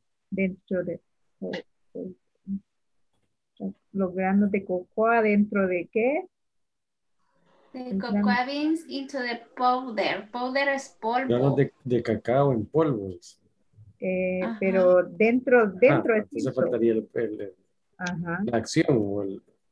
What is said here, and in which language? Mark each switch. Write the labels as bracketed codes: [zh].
[es] Dentro de los granos de cocoa, ¿dentro de qué? [en] The cocoa beans into the powder. Powder is [es] polvo. De cacao en polvo. pero dentro ah, es faltaría el ajá. La acción o el